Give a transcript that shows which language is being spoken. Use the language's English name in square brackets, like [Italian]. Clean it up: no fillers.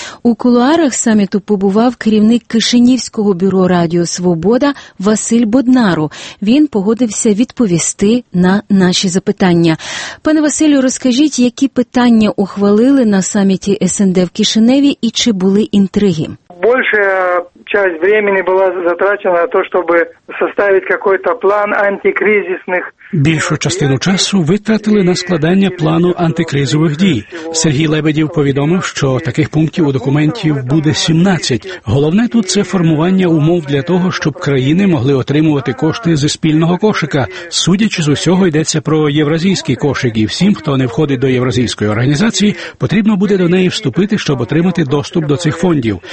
[Ukrainian] У кулуарах саміту побував керівник Кишинівського бюро Радіо Свобода Василь Боднару. Він погодився відповісти на наші запитання. Пане Василю, розкажіть, які питання ухвалили на саміті СНД в Кишиневі і чи були інтриги? [Russian] Больше часть времени была затрачена на то, чтобы составить какой-то план антикризисных. [Ukrainian] Більшу частину часу витратили на складання плану антикризових дій. Сергій Лебедів повідомив, що таких пунктів у документі буде 17. Головне тут – це формування умов для того, щоб країни могли отримувати кошти зі спільного кошика. Судячи з усього, йдеться про євразійський кошик, і всім, хто не входить до євразійської організації, потрібно буде до неї вступити, щоб отримати доступ до цих фондів.